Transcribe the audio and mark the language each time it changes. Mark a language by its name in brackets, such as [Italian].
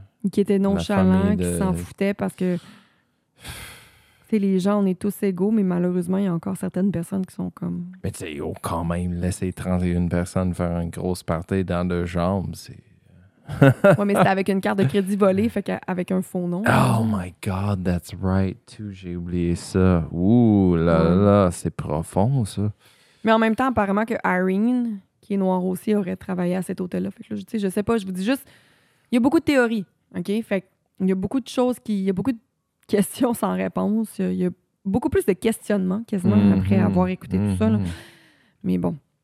[French] Qui était nonchalant, qui s'en foutait parce que, tu sais, les gens, on est tous égaux, mais malheureusement, il y a encore certaines personnes qui sont comme. Mais tu sais, ils ont quand même laissé 31 personnes faire une grosse party dans leurs jambes. C'est. Ouais, mais c'était avec une carte de crédit volée, fait qu'avec un faux nom. [English] Oh my God, that's right, too. [French] J'ai oublié ça. Ouh là là, c'est profond, ça. Mais en même temps, apparemment que Irene, qui est noire aussi, aurait travaillé à cet hôtel-là. Fait que là, je sais pas, je vous dis juste, il y a beaucoup de théories, OK? Fait qu'il y a beaucoup de choses qui... Il y a beaucoup de questions sans réponse. Il y a beaucoup plus de questionnements, quasiment, après avoir écouté tout ça, là. Mais bon.